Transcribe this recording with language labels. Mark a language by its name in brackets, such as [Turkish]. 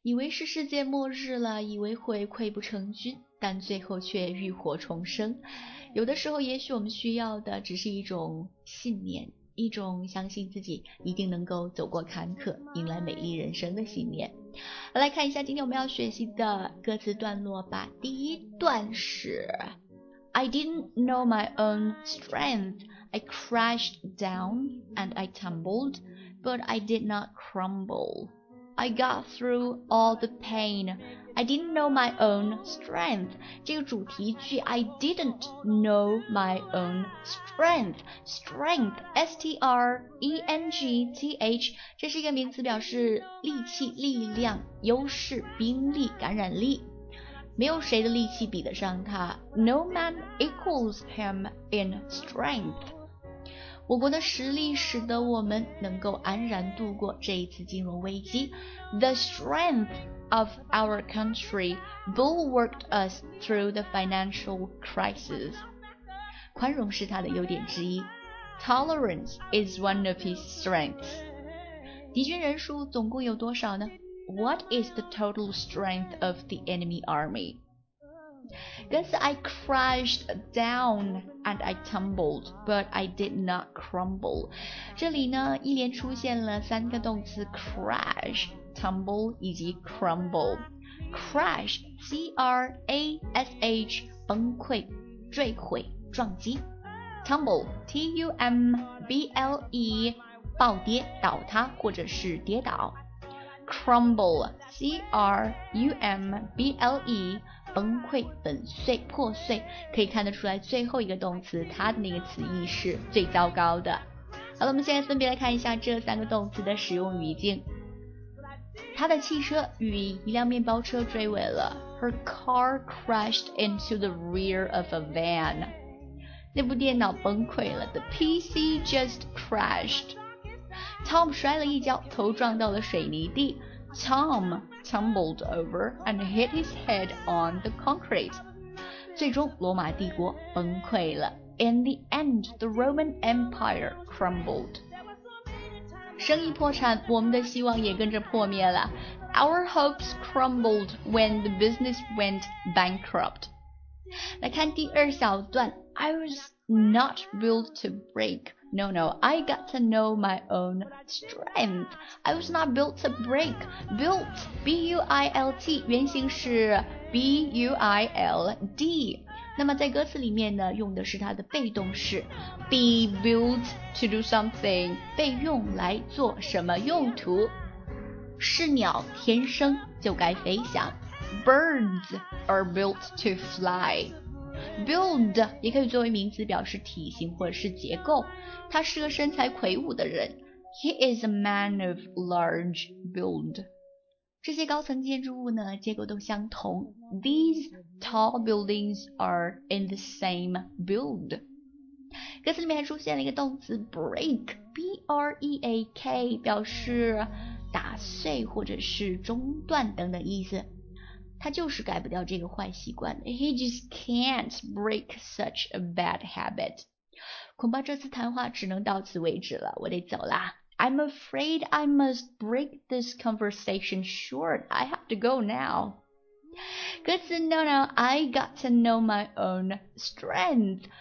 [Chinese] 是世界末日了，以为会溃不成军，但最后却浴火重生。有的时候也许我们需要的只是一种信念，一种相信自己一定能够走过坎坷，迎来美丽人生的信念。来看一下今天我们要学习的歌词段落吧。第一段是 [English] I didn't know my own strength. I crashed down and I tumbled, but I did not crumble. I got through all the pain. I didn't know my own strength. [Chinese] 这个主题句 [English] I didn't know my own strength. [Chinese] Strength, S-T-R-E-N-G-T-H, 这是一个名词，表示力气、力量、优势、兵力、感染力。没有谁的力气比得上他。 [English] No man equals him in strength. [Chinese] 我国的实力使得我们能够安然度过这一次金融危机。 [English] The strength of our country bulwarked us through the financial crisis. [Chinese] 宽容是他的优点之一。 [English] Tolerance is one of his strengths. [Chinese] 敌军人数总共有多少呢？ [English] What is the total strength of the enemy army? 歌词 I crashed down and I tumbled, but I did not crumble. [Chinese] 这里呢，一连出现了三个动词 crash, tumble 以及 crumble. Crash, C-R-A-S-H, 崩溃、坠毁、撞击。 Tumble, T-U-M-B-L-E, 暴跌、倒塌或者是跌倒。 Crumble, C-R-U-M-B-L-E, 崩溃、粉碎、破碎。可以看得出来最后一个动词它的那个词义是最糟糕的。好了，我们现在分别来看一下这三个动词的使用语境。他的汽车与一辆面包车追尾了。 [English] Her car crashed into the rear of a van. [Chinese] 那部电脑崩溃了。 [English] The PC just crashed. [Chinese] Tom 摔了一跤，头撞到了水泥地。 [English] Tom tumbled over and hit his head on the concrete. [Chinese] 最终，罗马帝国崩溃了。 [English] In the end, the Roman Empire crumbled. [Chinese] 生意破产，我们的希望也跟着破灭了。 [English] Our hopes crumbled when the business went bankrupt. [Chinese] 来看第二小段。 [English] I was not built to break. No, no, I got to know my own strength. I was not built to break. Built, B-U-I-L-T, [Chinese] 原型是 [English] B-U-I-L-D. [Chinese] 那么在歌词里面呢，用的是它的被动式 [English] be built to do something, [Chinese] 被用来做什么用途。是鸟天生就该飞翔。 [English] Birds are built to fly. [Chinese] Build 也可以作为名词，表示体型或者是结构。他是个身材魁梧的人。 [English] He is a man of large build. [Chinese] 这些高层建筑物呢，结构都相同。 [English] These tall buildings are in the same build. [Chinese] 歌词里面还出现了一个动词 break, B-R-E-A-K, 表示打碎或者是中断等等意思。他就是改不掉这个坏习惯。 [English] He just can't break such a bad habit. [Chinese] 恐怕这次谈话只能到此为止了，我得走啦。 [English] I'm afraid I must break this conversation short. I have to go now. [Chinese] 歌词 [English] No, no, I got to know my own strength.